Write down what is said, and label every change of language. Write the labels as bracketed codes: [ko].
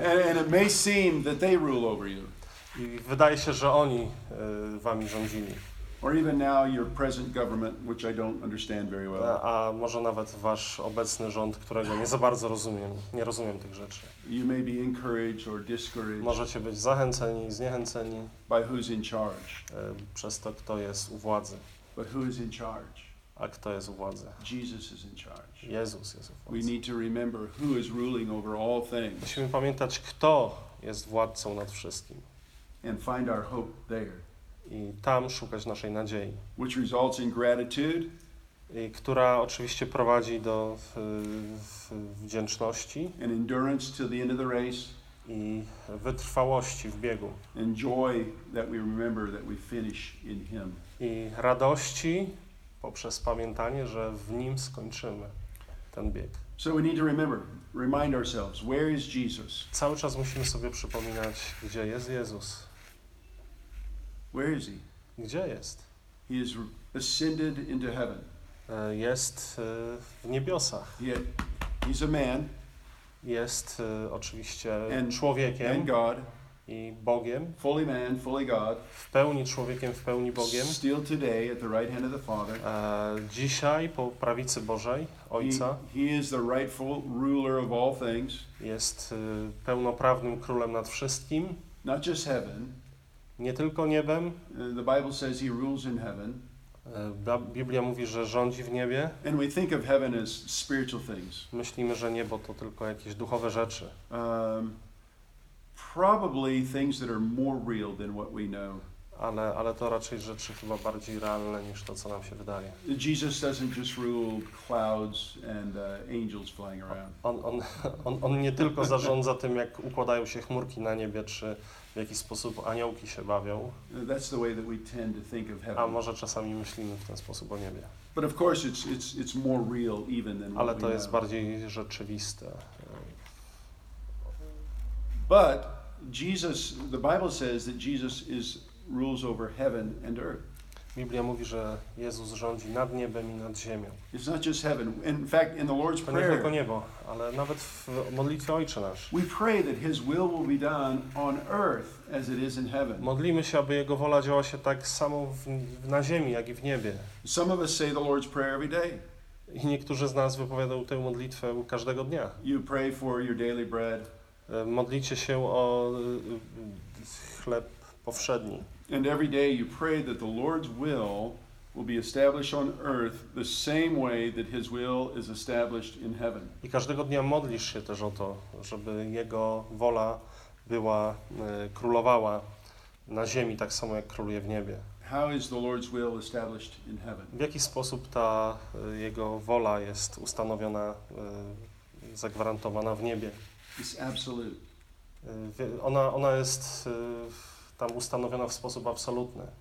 [en] And it may seem that they rule over you. [pl] I wydaje się, że oni wami rządzili. [en] Or even now your present government, which I don't understand very well. [pl] A może nawet wasz obecny rząd, którego nie za bardzo rozumiem. Nie rozumiem tych rzeczy. [en] You may be encouraged or discouraged. [pl] Możecie być zachęceni, zniechęceni. [en] By who's in charge? [pl] Przez to, kto jest u władzy. [en] But who is in charge? [pl] A kto jest u władzy? [en] Jesus is in charge. [pl] Jezus jest u władzy. [en] We need to remember who is ruling over all things. [pl] Musimy pamiętać, kto jest władcą nad wszystkim. [en] And find our hope there. [pl] I tam szukać naszej nadziei, [en] which results in gratitude, [pl] i która oczywiście prowadzi do wdzięczności [en] and endurance till the end of the race, [pl] i wytrwałości w biegu, [en] and joy that we remember that we finish in him, [pl] i radości poprzez pamiętanie, że w nim skończymy ten bieg. [en] So we need to remember, remind ourselves, where is Jesus? [pl] Cały czas musimy sobie przypominać, gdzie jest Jezus. [en] Where is he? [pl] Gdzie jest? [en] He is ascended into heaven. [pl] Jest w niebiosach. [en] He's a man. [pl] Jest oczywiście człowiekiem. [en] And God. [pl] I Bogiem. [en] Fully man, fully God. [pl] W pełni człowiekiem, w pełni Bogiem. [en] Still today at the right hand of the Father. [pl] Dzisiaj po prawicy Bożej Ojca. [en] He is the rightful ruler of all things. [pl] Jest pełnoprawnym królem nad wszystkim. [en] Not just heaven. [pl] Nie tylko niebem. [en] The Bible says he rules in heaven. [pl] Biblia mówi, że rządzi w niebie. [en] And we think of heaven as spiritual things. [pl] Myślimy, że niebo to tylko jakieś duchowe rzeczy. [en] Probably things that are more real than what we know. [pl] Ale to raczej rzeczy chyba bardziej realne niż to, co nam się wydaje. [en] Jesus doesn't just rule clouds and angels flying around. [pl] On nie tylko zarządza tym, jak układają się chmurki na niebie, czy w jaki sposób aniołki się bawią. [en] That's the way that we tend to think of heaven. [pl] A może czasami myślimy w ten sposób o niebie. [en] But of course it's more real even than. [pl] Ale to jest bardziej rzeczywiste. [en] But Jesus, the Bible says that Jesus is rules over heaven and earth. [pl] Biblia mówi, że Jezus rządzi nad niebem i nad ziemią. [en] It's not just heaven. In fact, in the Lord's to prayer. [pl] Nie tylko niebo, ale nawet w modlitwie Ojcze Nasz. [en] We pray that his will be done on earth as it is in heaven. [pl] Modlimy się, aby jego wola działa się tak samo na ziemi, jak i w niebie. [en] Some of us say the Lord's prayer every day. [pl] I niektórzy z nas wypowiadają tę modlitwę każdego dnia. [en] You pray for your daily bread. [pl] Modlicie się o chleb powszedni. [en] And every day you pray that the Lord's will be established on earth the same way that his will is established in heaven. [pl] I każdego dnia modlisz się też o to, żeby jego wola była królowała na ziemi tak samo jak króluje w niebie. [en] How is the Lord's will established in heaven? [pl] W jaki sposób ta jego wola jest ustanowiona, zagwarantowana w niebie? [en] It's absolute. [pl] Ona jest tam ustanowiona w sposób absolutny.